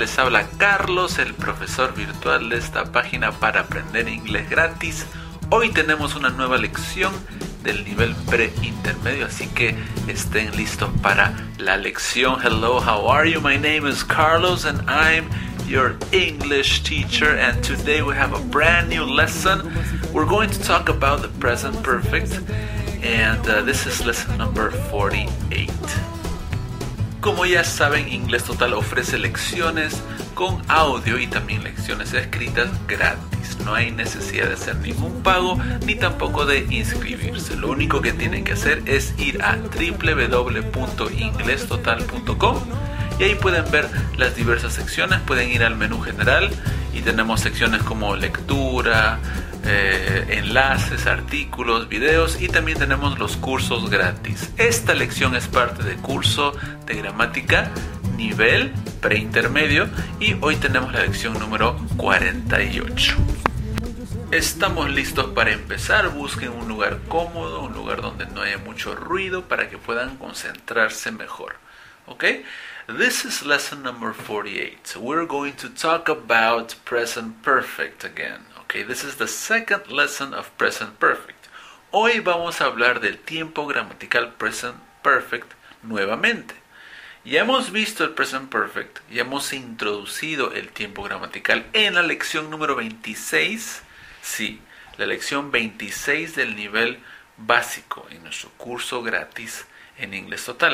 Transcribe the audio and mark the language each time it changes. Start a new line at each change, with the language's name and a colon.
Spanish: Les habla Carlos, el profesor virtual de esta página para aprender inglés gratis. Hoy tenemos una nueva lección del nivel pre-intermedio, así que estén listos para la lección.
English: Hello, how are you? My name is Carlos and I'm your English teacher. And today we have a brand new lesson. We're going to talk about the present perfect. And this is lesson number 48.
Spanish: Como ya saben, Inglés Total ofrece lecciones con audio y también lecciones escritas gratis. No hay necesidad de hacer ningún pago ni tampoco de inscribirse. Lo único que tienen que hacer es ir a www.inglestotal.com y ahí pueden ver las diversas secciones. Pueden ir al menú general y tenemos secciones como lectura, enlaces, artículos, videos y también tenemos los cursos gratis. Esta lección es parte de curso de gramática nivel preintermedio y hoy tenemos la lección número 48. Estamos listos para empezar. Busquen un lugar cómodo, un lugar donde no haya mucho ruido para que puedan concentrarse mejor.
English: ¿Okay? This is lesson number 48. We're going to talk about present perfect again. Okay, this is the second lesson of present perfect.
Spanish: Hoy vamos a hablar del tiempo gramatical present perfect nuevamente. Ya hemos visto el present perfect, ya hemos introducido el tiempo gramatical en la lección número 26. Sí, la lección 26 del nivel básico en nuestro curso gratis en Inglés Total.